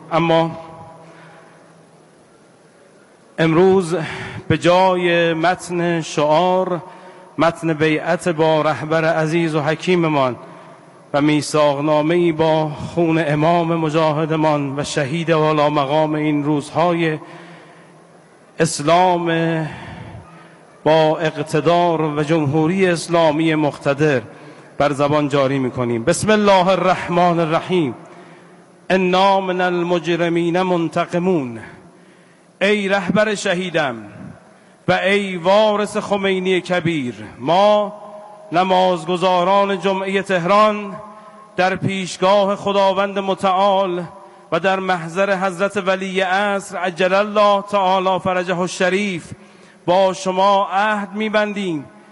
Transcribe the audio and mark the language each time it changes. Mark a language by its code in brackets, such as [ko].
[fa] اما امروز به جای متن شعار، متن بیعت با رهبر عزیز و حکیممان و میثاق‌نامه ای با خون امام مجاهدمان و شهید والا مقام این روزهای اسلام با اقتدار و جمهوری اسلامی مقتدر بر زبان جاری میکنیم. [ar] بسم الله الرحمن الرحیم. انا من المجرمین منتقمون. [fa] ای رهبر شهیدم و ای وارث خمینی کبیر، ما نمازگزاران جمعه تهران در پیشگاه خداوند متعال و در محضر حضرت ولی عصر عجل الله تعالی فرجه الشریف با شما عهد می‌بندیم،